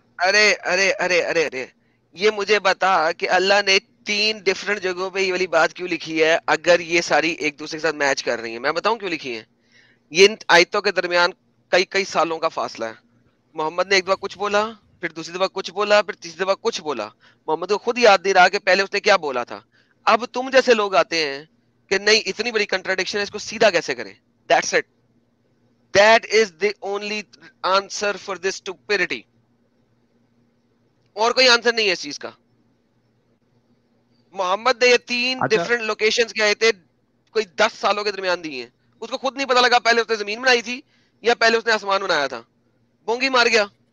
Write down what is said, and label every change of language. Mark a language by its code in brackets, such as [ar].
[ur] ارے ارے ارے ارے ارے یہ مجھے بتا کہ اللہ نے 3 ڈفرنٹ جگہوں پہ یہ والی بات کیوں لکھی ہے، اگر یہ ساری ایک دوسرے کے ساتھ میچ کر رہی ہیں، میں بتاؤں کیوں لکھی ہے، ان آیتوں کے درمیان کئی کئی سالوں کا فاصلہ ہے، محمد نے ایک دفعہ کچھ بولا، پھر دوسری دفعہ کچھ بولا، پھر تیسری دفعہ کچھ بولا، محمد کو خود یاد نہیں رہا کہ پہلے اس نے کیا بولا تھا۔ اب تم جیسے لوگ آتے ہیں کہ نہیں اتنی بڑی کنٹراڈکشن ہے، اس کو سیدھا کیسے کریں؟ [en] That's it. That is the only answer for this stupidity. [ur] اور کوئی آنسر نہیں ہے اس چیز کا۔ محمد نے یہ 3 ڈفرنٹ لوکیشنز کے آئے تھے کوئی 10 سالوں کے درمیان دی ہیں، اس کو خود نہیں پتا لگا پہلے اس نے زمین بنائی تھی یا پہلے اس نے آسمان بنایا تھا، بونگی مار گیا۔